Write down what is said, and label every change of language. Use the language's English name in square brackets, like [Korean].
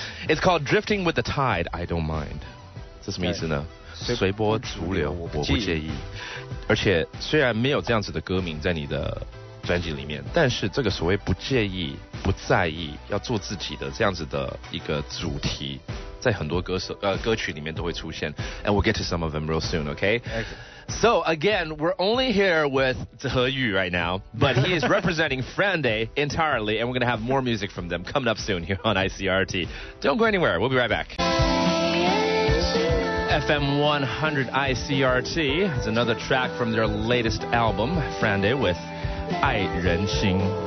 [English] It's called Drifting with the Tide, I don't mind。 [Chinese] 这什么意思呢？随波逐流，我不介意。而且虽然没有这样子的歌名在你的专辑里面，但是这个所谓不介意、不在意、要做自己的这样子的一个主题，在很多歌曲里面都会出现。 [English] And we'll get to some of them real soon, okay? So again, we're only here with Zhe Yu right now, but he is representing Frande entirely, and we're going to have more music from them coming up soon here on ICRT. Don't go anywhere, we'll be right back. FM 100 ICRT is another track from their latest album, Frande, with 爱人心。